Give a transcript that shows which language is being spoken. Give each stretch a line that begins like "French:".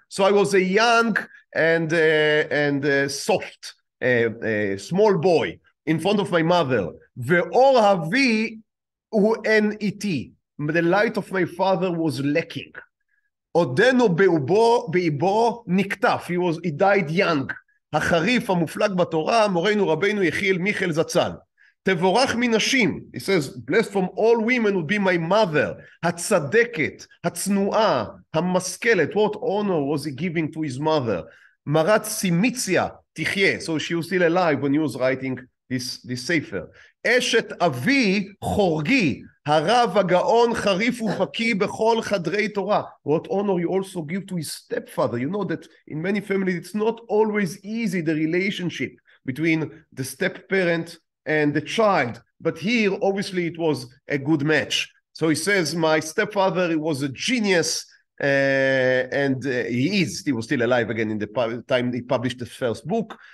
English: So I was a young and soft, small boy in front of my mother.
Hebrew: Ve'or avi u'en iti.
English: The light of my father was lacking.
Hebrew: עודנו באיבו נקטף,
English: he died young.
Hebrew: החריף המופלג בתורה, מורנו רבינו יחיאל מיכל זצל. תבורך מנשים,
English: he says, blessed from all women would be my mother.
Hebrew: הצדקת, הצנועה, המשכלת,
English: what honor was he giving to his mother?
Hebrew: מרת סימציא, תחיה,
English: so she was still alive when he was writing this sefer.
Hebrew: אשת אבי, חורגי, הרב הגאון חריף וחקי בכל חדרי תורה.
English: What honor you also give to his stepfather. You know that in many families it's not always easy, the relationship between the step parent and the child. But here, obviously, it was a good match. So he says, my stepfather was a genius, and he was still alive again in the time he published the first book.